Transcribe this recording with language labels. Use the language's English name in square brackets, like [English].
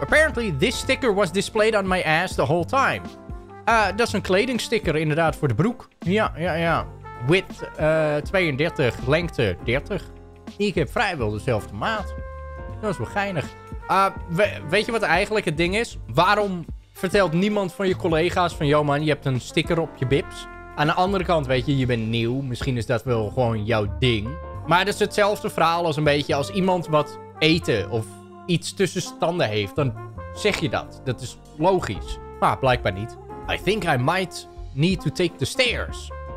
[English] Apparently this sticker was displayed on my ass the whole time. [Dutch] Dat is een kledingsticker inderdaad voor de broek. Ja. Width 32, lengte 30. Ik heb vrijwel dezelfde maat. Dat is wel geinig. Weet je wat eigenlijk het ding is? Waarom vertelt niemand van je collega's van... Yo man, je hebt een sticker op je bips. Aan de andere kant, weet je, je bent nieuw. Misschien is dat wel gewoon jouw ding. Maar het is hetzelfde verhaal als een beetje... Als iemand wat eten of iets tussen standen heeft... Dan zeg je dat. Dat is logisch. Maar blijkbaar niet. [English] I think I might need to take the stairs.